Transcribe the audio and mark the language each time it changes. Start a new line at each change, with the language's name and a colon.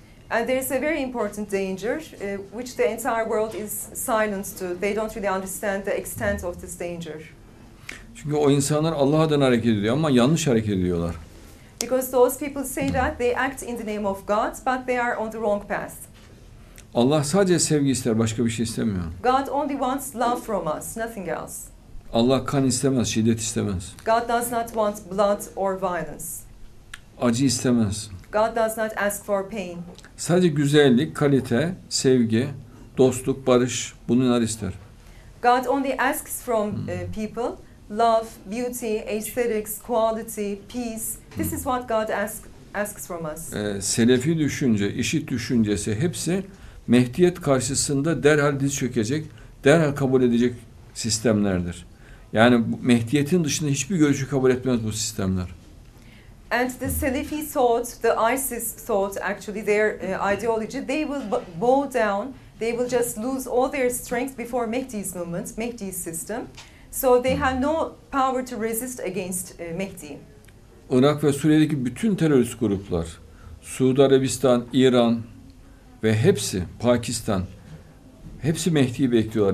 English: And there is a very important danger, which the entire world is silent to. They don't really understand the extent of this danger.
Turkish: Çünkü o insanlar Allah adına hareket ediyor ama yanlış hareket ediyorlar.
English: Because those people say that they act in the name of God, but they are on the wrong path.
Turkish: Allah sadece sevgi ister, başka bir şey istemiyor.
English: God only wants love from us, nothing else.
Turkish: Allah kan istemez, şiddet istemez.
English: God does not want blood or violence.
Turkish: Acı istemez.
English: God does not ask for pain.
Turkish: Sadece güzellik, kalite, sevgi, dostluk, barış, bunları ister.
English: God only asks from people love, beauty, aesthetics, quality, peace. This is what God asks from us.
Turkish: Selefi düşünce, IŞİD düşüncesi hepsi Mehdiyet karşısında derhal diz çökecek, derhal kabul edecek sistemlerdir. Yani Mehdiyet'in dışında hiçbir görüşü kabul etmez bu sistemler.
English: And the Salafi thought, the ISIS thought actually their ideology, they will bow down, they will just lose all their strength before Mehdi's movement, Mehdi's system. So they have no power to resist against Mehdi.
Turkish: Irak ve Suriye'deki bütün terörist gruplar, Suudi Arabistan, İran ve hepsi, Pakistan, hepsi Mehdi'yi bekliyorlar.